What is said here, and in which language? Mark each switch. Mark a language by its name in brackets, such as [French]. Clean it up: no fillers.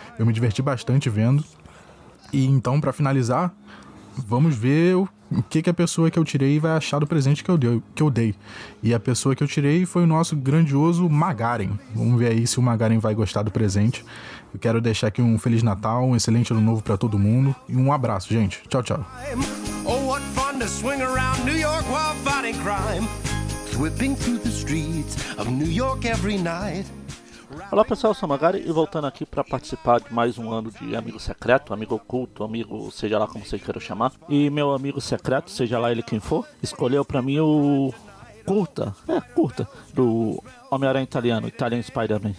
[Portuguese] Eu me diverti bastante vendo. E então, para finalizar, vamos ver o que, que a pessoa que eu tirei vai achar do presente que eu dei. E a pessoa que eu tirei foi o nosso grandioso Magaren. Vamos ver aí se o Magaren vai gostar do presente. Eu quero deixar aqui um Feliz Natal, um excelente Ano Novo pra todo mundo. E um abraço, gente. Tchau, tchau. [English] Oh, what fun to swing around New York while fighting crime. Whipping through the streets of New York every night. [Portuguese] Olá pessoal, eu sou Magari e voltando aqui para participar de mais um ano de Amigo Secreto, Amigo Oculto, Amigo seja lá como você queira chamar. E meu amigo secreto, seja lá ele quem for, escolheu para mim o curta, do Homem-Aranha Italiano, Italian Spider-Man.